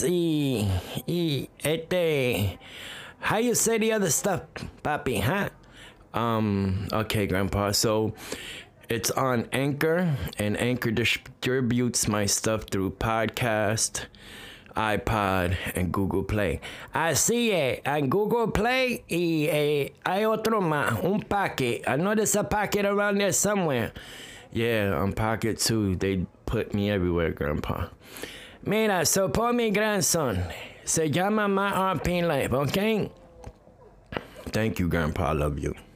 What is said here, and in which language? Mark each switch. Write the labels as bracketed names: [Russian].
[English] How you say the other stuff, papi, huh? Okay, Grandpa, so it's on Anchor, and Anchor distributes my stuff through podcast, iPod, and Google Play. [Spanish] Así es, en Google Play, y hay otro más, un pocket. [English] I know there's a pocket around there somewhere. Yeah, on pocket too. They put me everywhere, Grandpa. [Spanish] Mira, so por mi grandson, se llama My RP Life, okay? [English] Thank you, Grandpa, I love you.